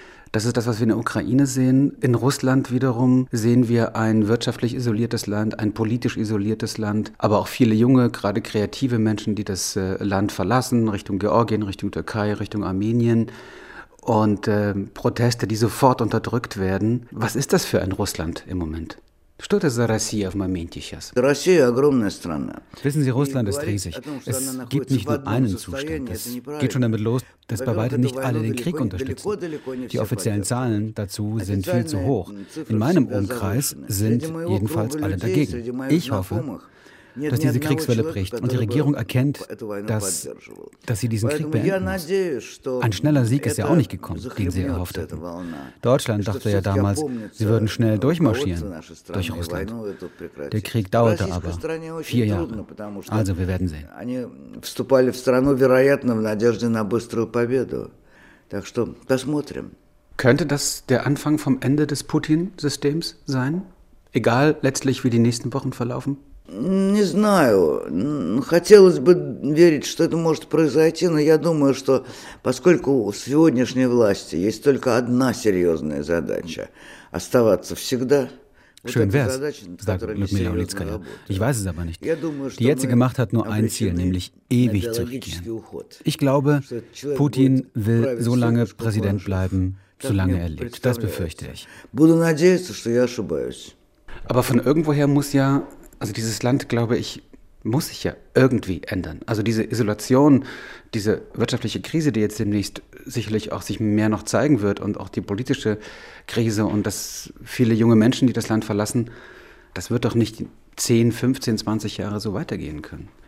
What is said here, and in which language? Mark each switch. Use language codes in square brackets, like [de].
[de] Das ist das, was wir in der Ukraine sehen. In Russland wiederum sehen wir ein wirtschaftlich isoliertes Land, ein politisch isoliertes Land, aber auch viele junge, gerade kreative Menschen, die das Land verlassen, Richtung Georgien, Richtung Türkei, Richtung Armenien, und Proteste, die sofort unterdrückt werden. Was ist das für ein Russland im Moment? [ru] Что это за Россия в моменте сейчас? Россия огромная страна. [de] Wissen Sie, Russland ist riesig. Es gibt nicht nur einen Zustand. Es geht schon damit los, dass bei weitem nicht alle den Krieg unterstützen. Die offiziellen Zahlen dazu sind viel zu hoch. In meinem Umkreis sind jedenfalls alle dagegen. Ich hoffe, dass diese Kriegswelle bricht und die Regierung erkennt, dass sie diesen Krieg beenden muss. Ein schneller Sieg ist ja auch nicht gekommen, den sie erhofft hatten. Deutschland dachte ja damals, sie würden schnell durchmarschieren durch Russland. Der Krieg dauerte aber 4 Jahre. Also, wir werden sehen. [ru] Они вступали в страну, вероятно, в надежде на быструю победу. Так что посмотрим. [de] Könnte das der Anfang vom Ende des Putin-Systems sein? Egal letztlich, wie die nächsten Wochen verlaufen? [ru] Не знаю. Хотелось бы верить, что это может произойти, но я думаю, что поскольку у сегодняшней власти есть только одна серьезная задача – оставаться всегда. [de] Schön wär's, sagt Ludmila Ulitskaya. Ich weiß es aber nicht. Die jetzige Macht hat nur ein Ziel, nämlich ewig zu regieren. Ich glaube, Putin will so lange Präsident bleiben, solange er lebt. Das befürchte ich. [ru] Буду надеяться, что я ошибаюсь. [de] Aber von irgendwoher muss ja, also dieses Land, glaube ich, muss sich ja irgendwie ändern. Also diese Isolation, diese wirtschaftliche Krise, die jetzt demnächst sicherlich auch sich mehr noch zeigen wird, und auch die politische Krise und dass viele junge Menschen, die das Land verlassen, das wird doch nicht 10, 15, 20 Jahre so weitergehen können.